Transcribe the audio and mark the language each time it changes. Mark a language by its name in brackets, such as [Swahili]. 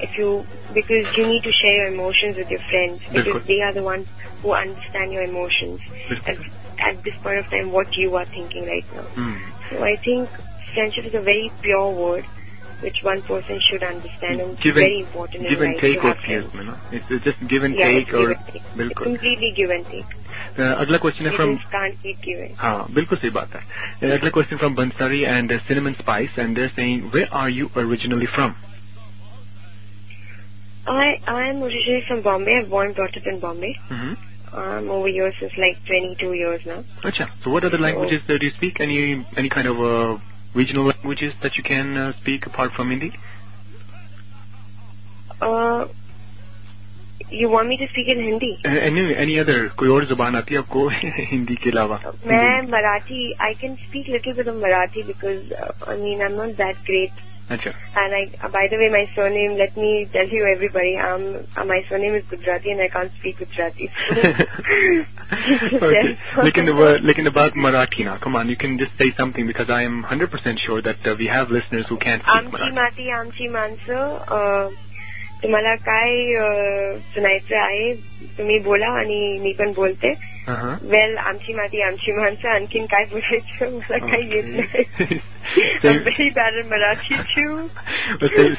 [English] If you, because you need to share your emotions with your friends, because they are the ones who understand your emotions at this point of time, what you are thinking right now. Mm. So I think friendship is a very pure word, which one person should understand, and given, it's very important. Give and right take to or feel, you know? It's just give and take it's or... Give and take. Completely give and take. [Hindi] अगला question है from हाँ बिल्कुल सही बात है अगला question from Bansari and cinnamon spice [English] and there saying where are you originally from I am originally from Bombay I born brought up in Bombay I am over years is like 22 years now [Hindi] अच्छा [English] So what other languages do you speak any kind of regional languages that you can speak apart from Hindi You want me to speak in Hindi? Any other? [Hindi] कोई और ज़बान आती है आपको हिंदी के अलावा? मैं Marathi. [English] I can speak little bit of Marathi because I mean I'm not that great. [Hindi] अच्छा. [English] And I, by the way, my surname. Let me tell you everybody. My surname is Gujarati and I can't speak Gujarati. okay. [Hindi] लेकिन [English] about Marathi ना. Come on, you can just say something because I am 100% sure that we have listeners who can't speak Marathi. [Marathi] आमची माती आमची मानसो. तुम्हाला काय सुनायचं आहे तुम्ही बोला आणि मी पण बोलते वेल आमची माती आमची माणसं आणखीन काय बोलायचं मला काही येत नाही [English] bad Marathi too